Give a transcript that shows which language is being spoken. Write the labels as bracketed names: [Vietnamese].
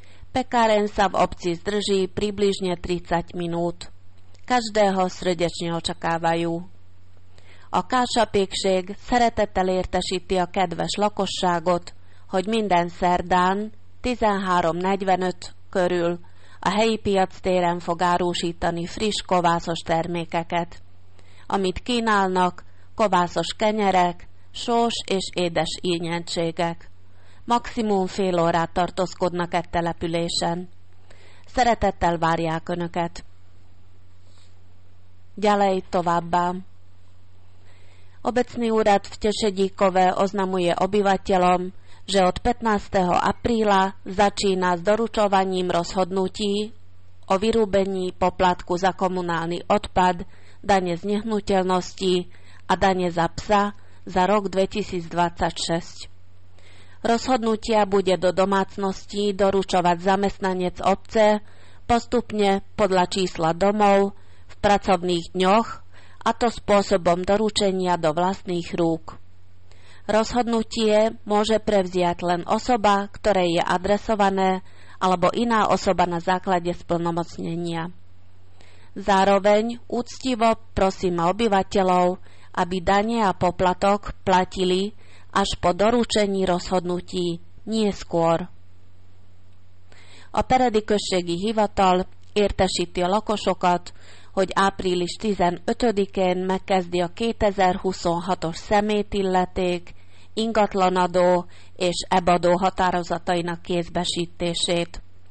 [Slovak] Pekáreň sa v obci zdrží približne 30 minút. Každého srdečne očakávajú. [Hungarian] A Kása pékség szeretettel értesíti a kedves lakosságot, hogy minden szerdán 13.45 körül a helyi piac téren fog árusítani friss kovászos termékeket, amit kínálnak kovászos kenyerek, sós és édes ínyentségek. Maximum fél órát tartózkodnak egy településen. Szeretettel várják Önöket. Gyalej továbbá. [Slovak] Obecný úrad v Tešedíkove oznamuje obyvateľom, že od 15. apríla začína s doručovaním rozhodnutí o vyrúbení poplatku za komunálny odpad, dane z nehnuteľnosti a dane za psa za rok 2026. Rozhodnutia bude do domácnosti doručovať zamestnanec obce postupne podľa čísla domov v pracovných dňoch, a to spôsobom doručenia do vlastných rúk. Rozhodnutie môže prevziať len osoba, ktorej je adresované, alebo iná osoba na základe splnomocnenia. Zároveň úctivo prosíme obyvateľov, aby dane a poplatok platili až po doručení rozhodnutí, nie skôr. [Hungarian] A peredi községi hivatal értesíti a lakosokat, hogy április 15-én megkezdi a 2026-os szemétilleték, ingatlanadó és ebadó határozatainak kézbesítését.